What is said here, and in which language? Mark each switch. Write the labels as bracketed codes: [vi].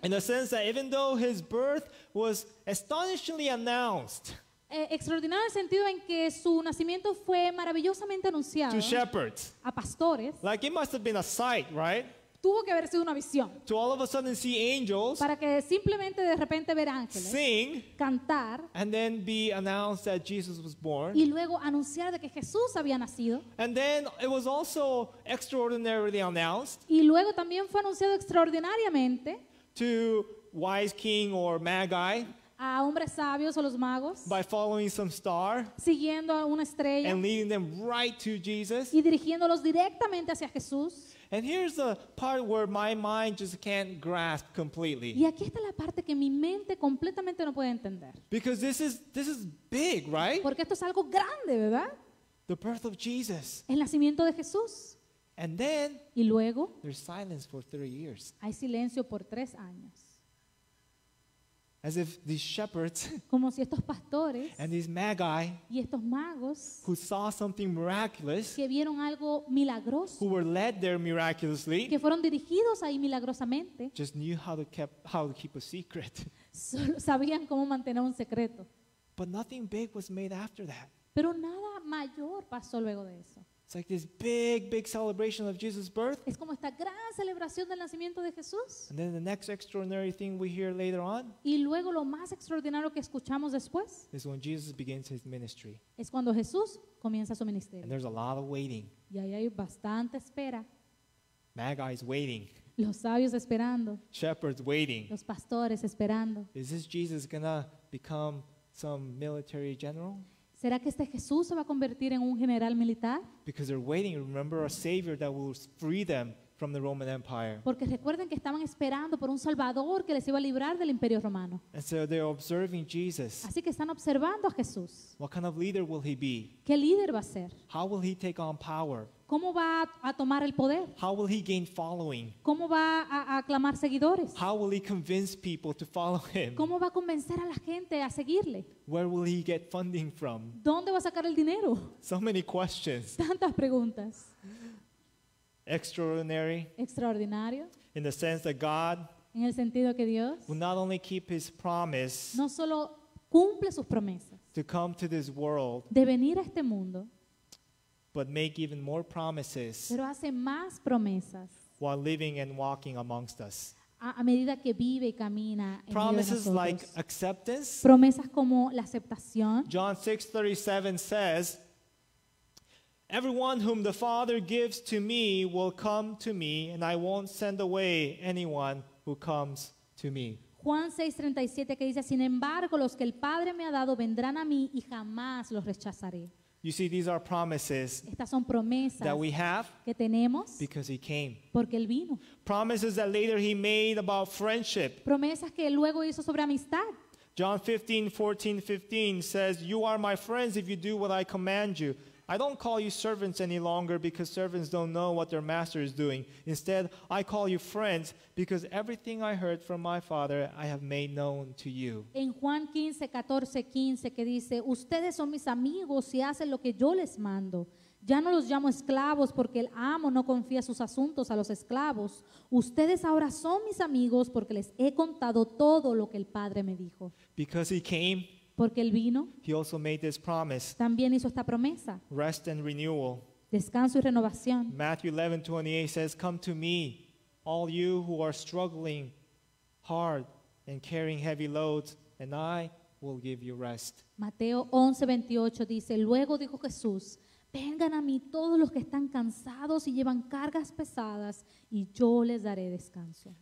[en] In the sense that even though his birth was astonishingly announced. [es] Extraordinario en el sentido en que su nacimiento fue maravillosamente anunciado. [en] To shepherds. [es] A pastores. [en] Like it must have been a sight, right? [es] Tuvo que haber sido una visión. [en] To all of a sudden see angels. [es] Para que simplemente de repente ver ángeles. [en] Sing. [es] Cantar. [en] And then be announced that Jesus was born. [es] Y luego anunciar de que Jesús había nacido. [en] And then it was also extraordinarily announced. [es] Y luego también fue anunciado extraordinariamente. [en] To wise king or magi. [es] A hombres sabios o los magos. [en] By following some star. [es] Siguiendo a una estrella. [en] And leading them right to Jesus. [es] Y dirigiéndolos directamente hacia Jesús. [en] And here's the part where my mind just can't grasp completely. [es] Y aquí está la parte que mi mente completamente no puede entender. [en] Because this is big, right? [es] Porque esto es algo grande, ¿verdad? [en] The birth of Jesus. [es] El nacimiento de Jesús. [en] And then. [es] Y luego. [en] There's silence for 3 years. [es] Hay silencio por 3 años. [en] As if these shepherds [es] como si estos pastores, [en] and these magi [es] y estos magos, [en] who saw something miraculous, [es] que vieron algo milagroso, [en] who were led there miraculously, [es] que fueron dirigidos ahí milagrosamente, [en] just knew how to keep a secret. [es] Solo sabían cómo mantener un secreto. [en] But nothing big was made after that. [es] Pero nada mayor pasó luego de eso. [en] It's like this big celebration of Jesus' birth. [es] Es como esta gran celebración del nacimiento de Jesús. [en] And then the next extraordinary thing we hear later on. [es] Y luego lo más extraordinario que escuchamos después. [en] Is when Jesus begins his ministry. [es] Es cuando Jesús comienza su ministerio. [en] And there's a lot of waiting. [es] Y ahí hay bastante espera. [en] Magi is waiting. [es] Los sabios esperando. [en] Shepherds waiting. [es] Los pastores esperando. [en] Is this Jesus gonna become some military general? [es] ¿Será que este Jesús se va a convertir en un general militar? [en] Because they're waiting. Remember a savior that will free them from the Roman Empire. [es] Porque recuerden que estaban esperando por un salvador que les iba a librar del Imperio Romano. [en] And so they're observing Jesus. [es] Así que están observando a Jesús. [en] What kind of leader will he be? [es] ¿Qué líder va a ser? [en] How will he take on power? [es] ¿Cómo va a tomar el poder? [en] How will he gain following? [es] ¿Cómo va a aclamar seguidores? [en] How will he convince people to follow him? [es] ¿Cómo va a convencer a la gente a seguirle? [en] Where will he get funding from? [es] ¿Dónde va a sacar el dinero? [en] So many questions. [es] Tantas preguntas. [en] Extraordinary. [es] Extraordinario. [en] In the sense that God, [es] en el sentido que Dios, [en] will not only keep his promise, [es] no solo cumple sus promesas, [en] to come to this world, [es] de venir a este mundo, [en] but make even more promises, [es] pero hace más promesas, [en] while living and walking amongst us. [es] A medida que vive y camina en [en] promises like acceptance. [es] Promesas como la aceptación. [en] John 6:37 says, "Everyone whom the Father gives to me will come to me, and I won't send away anyone who comes to me." [es] Juan 6:37 que dice, "Sin embargo, los que el Padre me ha dado vendrán a mí y jamás los rechazaré." [en] You see, these are promises that we have [es] que tenemos [en] because he came. [es] Porque él vino. [en] Promises that later he made about friendship. [es] Promesas que luego hizo sobre amistad. [en] John 15:14-15 says, "You are my friends if you do what I command you. I don't call you servants any longer because servants don't know what their master is doing. Instead, I call you friends because everything I heard from my Father I have made known to you." [es] En Juan 15:14-15 que dice, "Ustedes son mis amigos si hacen lo que yo les mando. Ya no los llamo esclavos porque el amo no confía sus asuntos a los esclavos. Ustedes ahora son mis amigos porque les he contado todo lo que el Padre me dijo." [en] Because he came, [es] porque él vino, [en] he also made this promise, [es] también hizo esta promesa, [en] rest and renewal, [es] descanso y renovación. [en] Matthew 11:28 says, "Come to me, all you who are struggling hard and carrying heavy loads, and I will give you rest." [es] Mateo 11:28 dice, "Luego dijo Jesús, vengan a mí todos los que están cansados y llevan cargas pesadas, y yo les daré descanso."